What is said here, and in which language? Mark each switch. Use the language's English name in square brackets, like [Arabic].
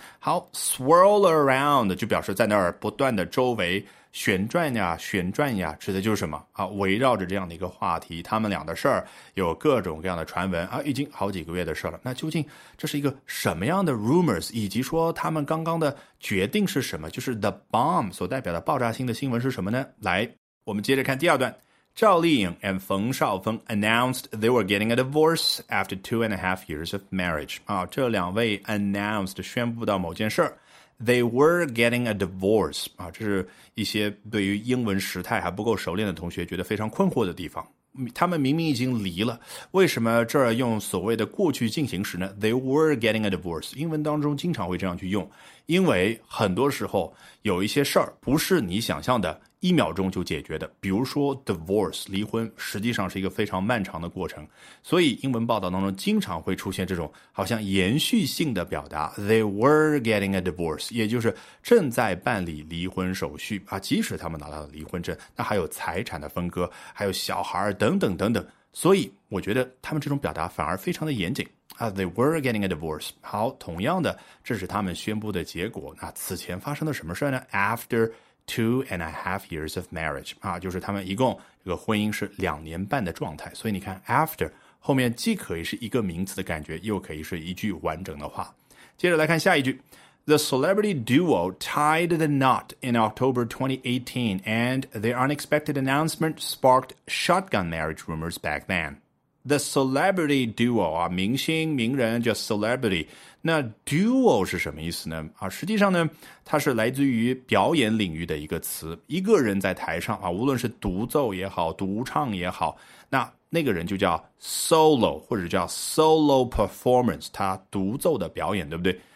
[Chinese] 好， [English] swirl around [Chinese] 就表示在那儿不断的周围旋转呀旋转呀，指的就是什么啊？围绕着这样的一个话题，他们俩的事儿有各种各样的传闻啊，已经好几个月的事了。那究竟这是一个什么样的 rumors， 以及说他们刚刚的决定是什么，就是 [English] the bomb [Chinese] 所代表的爆炸性的新闻是什么呢？来，我们接着看第二段。 [English] 赵丽颖 and 冯绍峰 announced they were getting a divorce after 2.5 years of marriage 啊， [Chinese] 这两位 [English] announced [Chinese] 宣布到某件事儿。 [English] They were getting a divorce, [Chinese] 啊，这是一些对于英文时态还不够熟练的同学觉得非常困惑的地方。他们明明已经离了，为什么这儿用所谓的过去进行时呢？ [English] They were getting a divorce, [Chinese] 英文当中经常会这样去用，因为很多时候有一些事儿不是你想象的一秒钟就解决的，比如说 divorce, 离婚实际上是一个非常漫长的过程，所以英文报道当中经常会出现这种好像延续性的表达， [English] they were getting a divorce, [Chinese] 也就是正在办理离婚手续啊，即使他们拿到了离婚证，那还有财产的分割，还有小孩等等等等，所以我觉得他们这种表达反而非常的严谨啊， [English] they were getting a divorce. [Chinese] 好，同样的，这是他们宣布的结果，那此前发生了什么事呢？ [English] After 2.5 years of marriage [Chinese] 啊，就是他们一共这个婚姻是两年半的状态，所以你看 after 后面既可以是一个名词的感觉，又可以是一句完整的话。接着来看下一句， [English] The celebrity duo tied the knot in October 2018, and their unexpected announcement sparked shotgun marriage rumors back then. The celebrity duo, [Chinese] 明星名人 just celebrity, 那 duo 是什么意思呢、啊、实际上呢它是来自于表演领域的一个词，一个人在台上、啊、无论是独奏也好独唱也好，那那个人就叫 solo 或者叫 [English] solo performance, [Chinese] 他独奏的表演，对不对？